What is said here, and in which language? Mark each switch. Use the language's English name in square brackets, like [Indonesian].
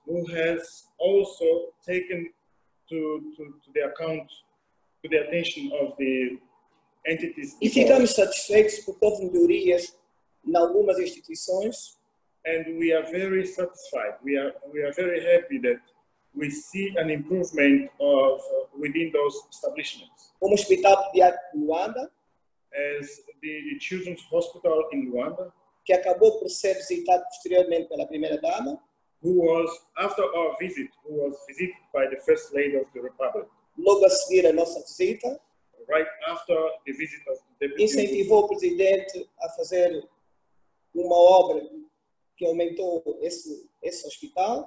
[English] Who has also taken to the account, to the attention of the entities. [Portuguese] E ficamos satisfeitos porque houve melhorias em algumas instituições. [English] And we are very satisfied. We are very happy that we see an improvement of within those establishments. [Portuguese] Como o Hospital Pediátrico de Luanda, [English] as the Children's Hospital in Luanda, [Portuguese] que acabou por ser visitado posteriormente pela primeira dama, [English] who was after our visit, who was visited by the First Lady of the Republic. [Portuguese] Logo a seguir a nossa visita, [English] right after the visit of the Deputy, [Portuguese] incentivou o presidente a fazer uma obra que aumentou esse hospital,